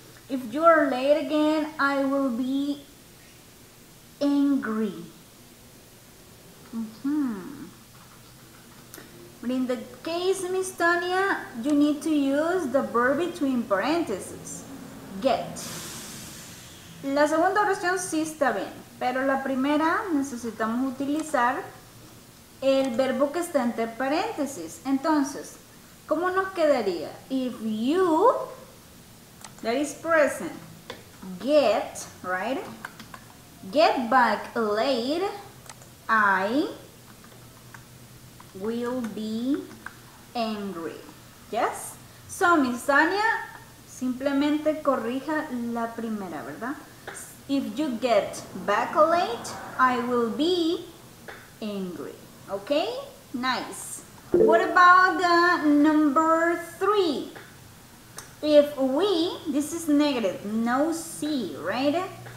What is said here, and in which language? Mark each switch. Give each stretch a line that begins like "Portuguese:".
English: If you are late again, I will be angry. But in the case, Miss Tania, you need to use the verb between parentheses.
Spanish: Get. La segunda oración sí está bien. Pero la primera necesitamos utilizar el verbo que está entre paréntesis. Entonces, ¿cómo nos quedaría?
English: If you, that is present, get, right? Get back late, I will be angry. Yes?
Spanish: So, Miss Tania, simplemente corrija la primera, ¿verdad?
English: If you get back late, I will be angry. Okay? Nice. What about the number three? If we, this is negative, no C, right?